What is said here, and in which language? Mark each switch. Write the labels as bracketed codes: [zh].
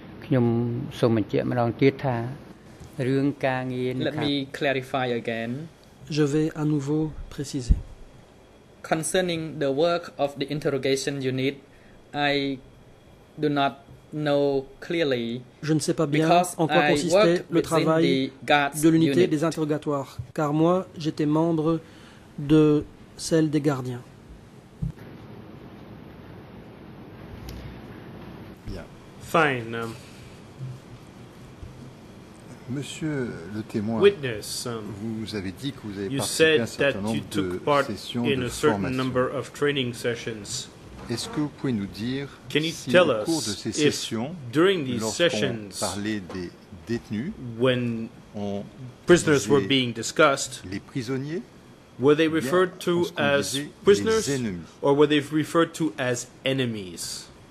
[en] Let me clarify again. [fr] Je vais à nouveau préciser. [en] Concerning the work of the interrogation unit, I do not know clearly. [fr] Je ne sais pas bien en quoi consistait le travail de l'unité des interrogatoires, car moi, j'étais membre de celle des gardiens. [en] Fine. [fr] Monsieur le témoin, [en] witness, [fr] vous avez dit que vous avez participé à un certain nombre de [en] training sessions. [fr] Est-ce que vous pouvez nous dire si au cours de ces sessions, lorsqu'on parlait des détenus, [en] when prisoners were being discussed, [fr] les prisonniers, [en] were they referred to as prisoners or were they referred to as enemies?